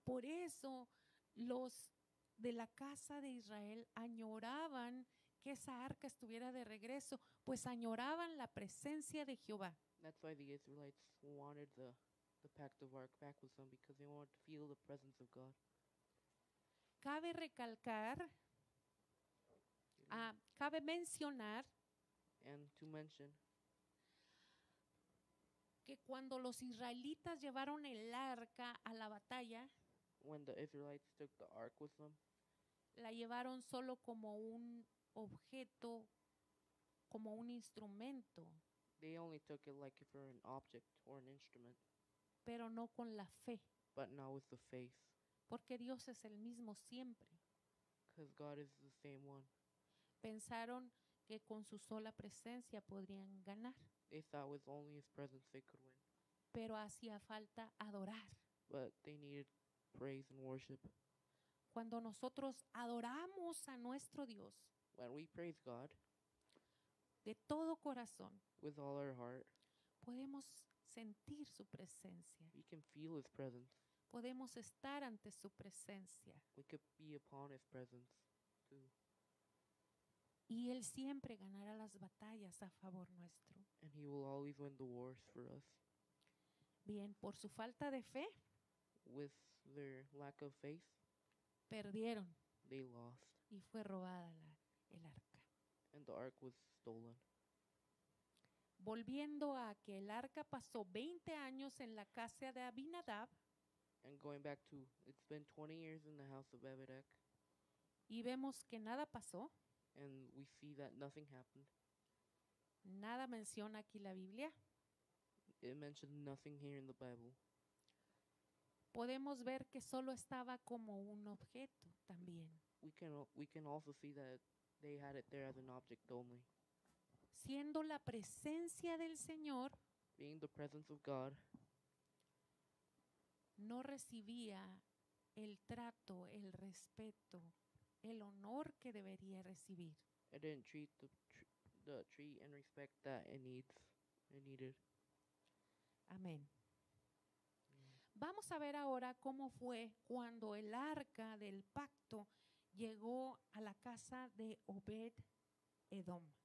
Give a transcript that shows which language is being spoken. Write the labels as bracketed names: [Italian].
[Spanish] Por eso los de la casa de Israel añoraban que esa arca estuviera de regreso, pues añoraban la presencia de Jehová. [English] That's why the Israelites wanted the pact of ark back with them, because they wanted to feel the presence of God. [Spanish] Cabe recalcar, cabe mencionar, [English] and to mention, [Spanish] que cuando los israelitas llevaron el arca a la batalla, [English] when the Israelites took the ark with them, [Spanish] la llevaron solo como un objeto, como un instrumento. [English] They only took it like if it were an object or an instrument. [Spanish] Pero no con la fe. [English] But not with the faith. [Spanish] Porque Dios es el mismo siempre. [English] Because God is the same one. [Spanish] Pensaron que con su sola presencia podrían ganar. [English] They thought with only his presence they could win. [Spanish] Pero hacía falta adorar. [English] But they needed praise and worship. [Spanish] Cuando nosotros adoramos a nuestro Dios, [English] when we praise God, [Spanish] de todo corazón, [English] with all our heart, [Spanish] podemos sentir su presencia. [English] We can feel his presence. [Spanish] Podemos estar ante su presencia. [English] We could be upon his presence too. [Spanish] Y él siempre ganará las batallas a favor nuestro. [English] And he will always win the wars for us. [Spanish] Bien, por su falta de fe, [English] with their lack of faith, [Spanish] perdieron. [English] They lost. [Spanish] Y fue robada el arca. [English] And the ark was stolen. [Spanish] Volviendo a que el arca pasó 20 años en la casa de Abinadab. [English] And going back to, it's been 20 years in the house of Abinadab. [Spanish] Y vemos que nada pasó. [English] And we see that nothing happened. [Spanish] Nada menciona aquí la Biblia. [English] It mentioned nothing here in the Bible. [Spanish] Podemos ver que solo estaba como un objeto también. [English] We can also see that they had it there as an object only. [Spanish] Siendo la presencia del Señor, [English] being the presence of God, [Spanish] no recibía el trato, el respeto, el honor que debería recibir. [English] It didn't treat the treat and respect that it needed. [Spanish] Amén. Vamos a ver ahora cómo fue cuando el arca del pacto llegó a la casa de Obed-Edom.